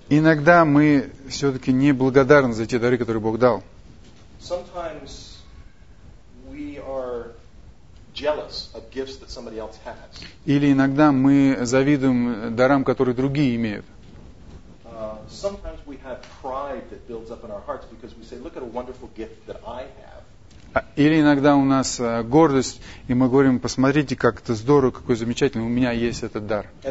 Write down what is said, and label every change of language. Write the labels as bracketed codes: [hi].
[ru] Иногда мы все-таки не благодарны за те дары, которые Бог дал. [en] Sometimes we are jealous of gifts that somebody else has. [ru] Или иногда мы завидуем дарам, которые другие имеют. [en] Sometimes we have pride that builds up in our hearts because we say, "Look at a wonderful gift that I have." [ru] Или иногда у нас гордость, и мы говорим, посмотрите, как это здорово, какой замечательный, у меня есть этот дар.